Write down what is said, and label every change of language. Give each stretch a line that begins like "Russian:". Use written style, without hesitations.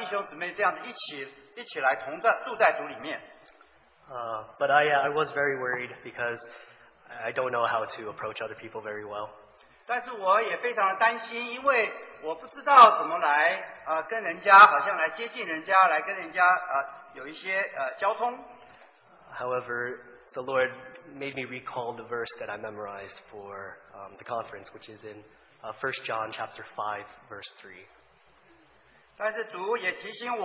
Chinese: 我今天交通这个重点，就是说我最近觉得主就要我在我现在的生活当中，就是要这样的实行，与其他的弟兄姊妹这样的一起来同在住在主里面。
English: But I was very worried because I don't know how to approach other people very well.
Chinese: 但是我也非常担心，因为我不知道怎么来跟人家，好像来接近人家，来跟人家有一些交通。
English: However, the Lord made me recall the verse that I memorized for the conference, which is in 1 John chapter 5, verse 3.